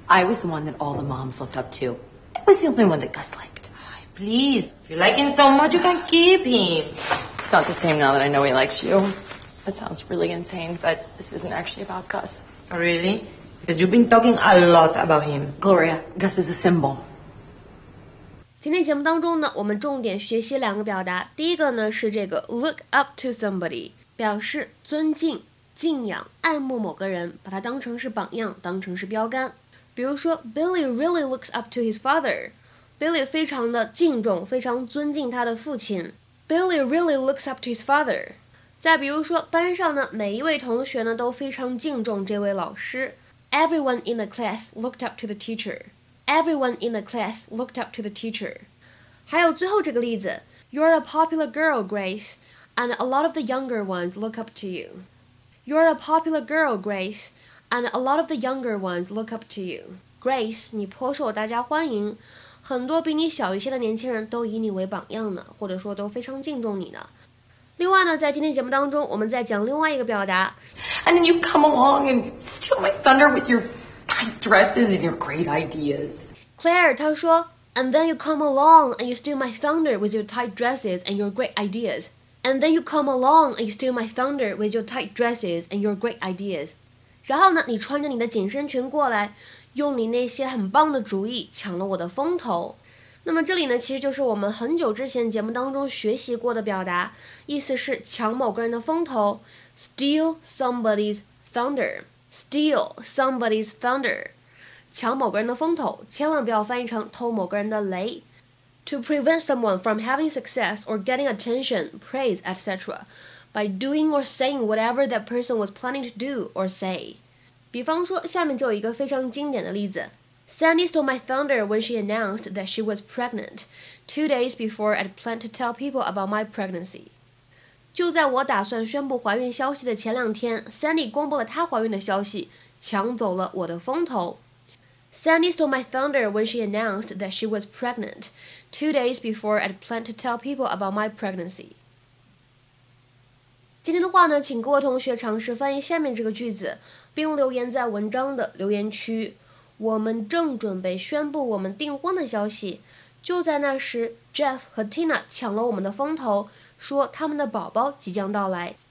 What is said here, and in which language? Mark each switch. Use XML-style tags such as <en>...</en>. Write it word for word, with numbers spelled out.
<en>I was the one that all the moms looked up to. I was the only one that Gus liked. Please, if you like him so much, you can keep him. It's not the same now that I know he likes you. That sounds really insane, but this isn't actually about Gus. Really? Because you've been talking a lot about him. Gloria, Gus is a symbol.</en> <zh>今天节目当中呢，我们重点学习两个表达。第一个呢是这个 look up to somebody， 表示尊敬、敬仰、爱慕某个人，把它当成是榜样，当成是标杆。比如说</zh> <en>Billy really looks up to his father.</en> <zh>Billy 非常的敬重，非常尊敬他的父亲。</zh> <en>Billy really looks up to his father.</en> <zh>再比如说班上呢，每一位同学呢都非常敬重这位老师。</zh> <en>Everyone in the class looked up to the teacher. Everyone in the class looked up to the teacher.</en> <zh>还有最后这个例子</zh> <en>You're a popular girl, Grace, and a lot of the younger ones look up to you. You're a popular girl, Grace. And a lot of the younger ones look up to you.</en> <zh>Grace, 你颇受大家欢迎，很多比你小一些的年轻人都以你为榜样呢，或者说都非常敬重你呢。另外呢，在今天节目当中，我们再讲另外一个表达。</zh> <en>And then you come along and steal my thunder with your tight dresses and your great ideas. Claire,</en> <zh>她说</zh> <en>And then you come along and you steal my thunder with your tight dresses and your great ideas. And then you come along and you steal my thunder with your tight dresses and your great ideas.</en> <zh>然后呢，你穿着你的紧身裙过来，用你那些很棒的主意抢了我的风头。那么这里呢，其实就是我们很久之前节目当中学习过的表达，意思是抢某个人的风头 ，steal somebody's thunder。 steal somebody's thunder， 抢某个人的风头，千万不要翻译成偷某个人的雷。</zh> <en>To prevent someone from having success or getting attention, praise, et cetera. By doing or saying whatever that person was planning to do or say.</en> <zh>比方说，下面就有一个非常经典的例子</zh> <en>Sandy stole my thunder when she announced that she was pregnant two days before I'd planned to tell people about my pregnancy.</en> <zh>就在我打算宣布怀孕消息的前两天</zh> <en>Sandy</en> <zh>公布了她怀孕的消息，抢走了我的风头</zh> <en>Sandy stole my thunder when she announced that she was pregnant two days before I'd planned to tell people about my pregnancy.</en> <zh>今天的话呢，请各位同学尝试翻译下面这个句子，并留言在文章的留言区。我们正准备宣布我们订婚的消息，就在那时 Jeff 和 Tina 抢了我们的风头，说他们的宝宝即将到来。</zh>